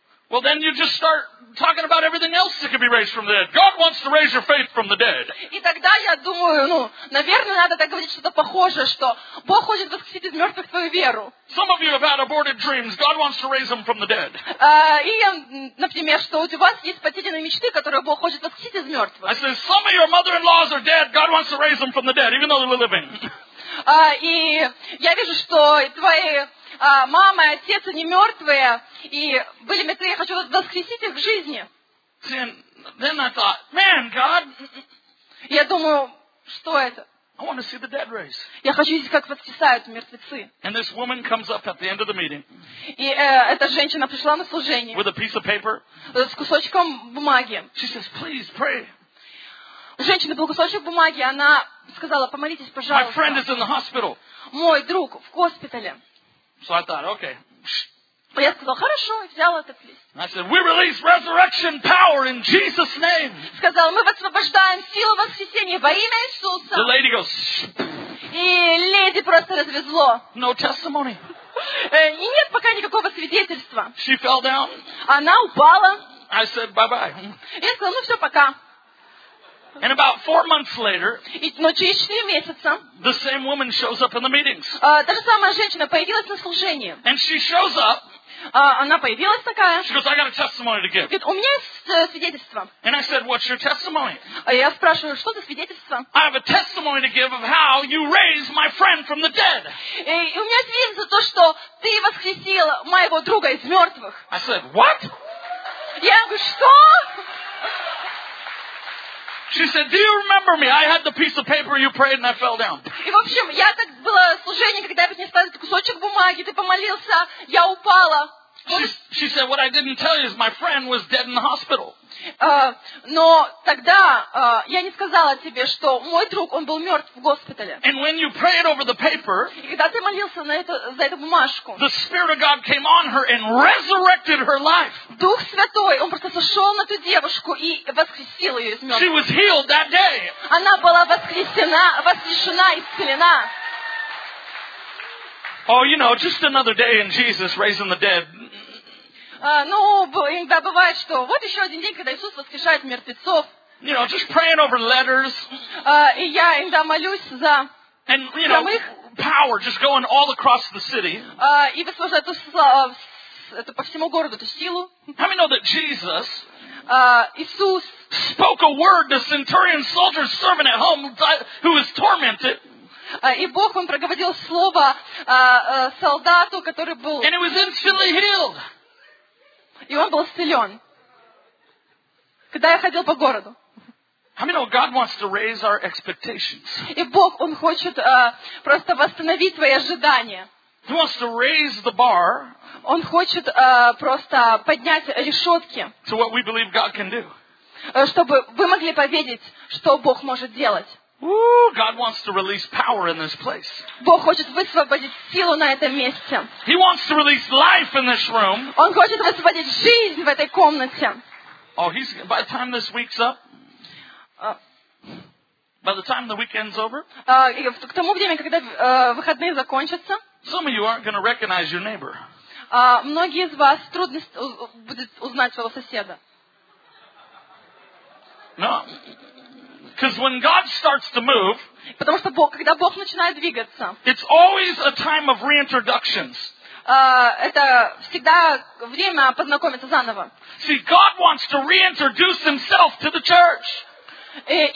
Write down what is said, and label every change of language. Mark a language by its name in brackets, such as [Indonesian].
[English] Well, then you just start talking about everything else that could be raised from the dead. God wants to raise your faith from the dead. [Russian] И тогда я думаю, ну, наверное, надо так говорить что-то похожее, что Бог хочет воскресить из мертвых твою веру. [English] Some of you have had aborted dreams. God wants to raise them from the dead. [Russian] И, например, что у вас есть потерянные мечты, которые Бог хочет воскресить из мертвых. [English] I said, some of your mother-in-laws are dead. God wants to raise them from the dead, even though they're living. [Russian] И я вижу, что твои мама и отец, они мертвые, и были мертвы, я хочу воскресить их к жизни. [English] Then I thought, man, God, [Russian] я думаю, что это? [English] I want to see the dead raised. [Russian] Я хочу видеть, как воскресают мертвецы. [English] And this woman comes up at the end of the meeting. [Russian] И эта женщина пришла на служение. [English] With a piece of paper. [Russian] С кусочком бумаги. [English] She says, please pray. [Russian] Женщина был кусочек бумаги, она сказала, помолитесь, пожалуйста. [English] My friend is in the hospital. [Russian] Мой друг в госпитале. [English] So I thought, okay. [Russian] Я сказал, хорошо, взял этот лист. [English] I said, we release resurrection power in Jesus' name. [Russian] Сказал, мы высвобождаем силу воскресения во имя Иисуса. [English] The lady goes. [Russian] И леди просто развезло. [English] No testimony. [Russian] И нет пока никакого свидетельства. [English] She fell down. [Russian] Она упала. [English] I said, bye-bye. [Russian] Я сказал, ну все, пока. [English] And about 4 months later, [Russian] но через 4 месяца, [English] the same woman shows up in the meetings. [Russian] Та же самая женщина появилась на служении. [English] And she shows up. [Russian] Она появилась такая. [English] She goes, I got a testimony to give. [Russian] Говорит, у меня есть свидетельство. [English] And I said, what's your testimony? [Russian] Я спрашиваю, что за свидетельство? [English] I have a testimony to give of how you raised my friend from the dead. [Russian] И у меня свидетельство то, что ты воскресил моего друга из мертвых. [English] I said, what? [Russian] Я говорю, что? [English] She said, "Do you remember me? I had the piece of paper you prayed, and I fell down." [Russian] И в общем, я так было служение, когда я принесла этот кусочек бумаги, ты помолился, я упала. [English] She said, "What I didn't tell you is my friend was dead in the hospital." [Russian] Но тогда я не сказала тебе, что мой друг, он был мертв в госпитале. [English] And when you prayed over the paper, [Russian] и когда ты молился за эту бумажку, [English] the Spirit of God came on her and resurrected her life. [Russian] Дух Святой, он просто сошел на ту девушку и воскресил ее из мертвых. [English] She was healed that day. [Russian] Она была воскресена, воскрешена, исцелена. [English] Oh, you know, just another day in Jesus raising the dead. [Russian] Иногда бывает, что вот еще один день, когда Иисус воскрешает мертвецов. [English] You know, just praying over letters. [Russian] И я иногда молюсь за [English] and, you know, [Russian] самых. [English] Power just going all across the city. [Russian] И воспользуюсь это по всему городу, эту силу. [English] How many know that Jesus [Russian] Иисус [English] spoke a word to centurion soldier's servant at home who was tormented. [Russian] И Бог, Он проговорил слово солдату, который был. [English] And it was instantly healed. [Russian] И он был исцелен. Когда я ходил по городу. [English] I mean, God wants to raise our expectations. [Russian] И Бог, Он хочет просто восстановить твои ожидания. [English] He wants to raise the bar. [Russian] Он хочет просто поднять решетки. [English] To what we believe God can do. [Russian] Чтобы вы могли поверить, что Бог может делать. [English] Woo, God wants to release power in this place. [Russian] Бог хочет высвободить силу на этом месте. [English] He wants to release life in this room. Он хочет высвободить жизнь в этой комнате. Oh, he's by the time this week's up. By the time the weekend's over. [Russian] К тому времени, когда выходные закончатся. [English] Some of you aren't going to recognize your neighbor. [Russian] Многие из вас трудно будет узнать своего соседа. [English] No. Because when God starts to move. [Russian] Потому что Бог, когда Бог начинает двигаться. [English] It's always a time of reintroductions. [Russian] Это всегда время познакомиться заново. [English] See, God wants to reintroduce Himself to the church.